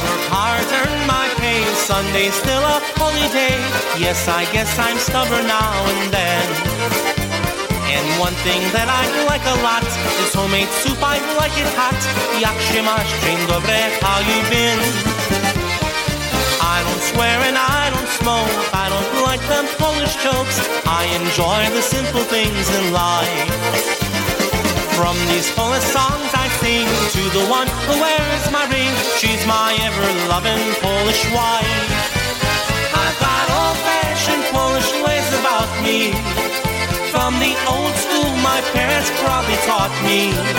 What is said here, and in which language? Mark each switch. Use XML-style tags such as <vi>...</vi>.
<en>Sunday's still a holy day. Yes, I guess I'm stubborn now and then. And one thing that I like a lot is homemade soup. I like it hot.</en> <pl>Jak się masz, dzień dobry,</pl> <en>how you been? I don't swear and I don't smoke. I don't like them Polish jokes. I enjoy the simple things in life. From these Polish songs I sing to the one who wears my ring. She's my ever-loving Polish wife. I've got old-fashioned Polish ways about me, from the old school my parents probably taught me.</en>